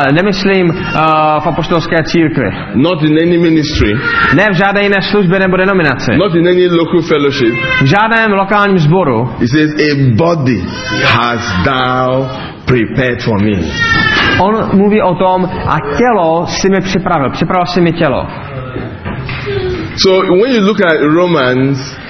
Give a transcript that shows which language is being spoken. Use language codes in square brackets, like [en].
[cs] Nemyslím v apoštolské církvi. [en] Not in any ministry. [cs] Ne v žádné jiné službě nebo denominaci. [en] Not in any local fellowship. [cs] V žádném lokálním sboru. [en] He says, a body has thou prepared for me. [cs] On mluví o tom, a tělo si mi připravil. Připravil si mi tělo. [en] So when you look at Romans,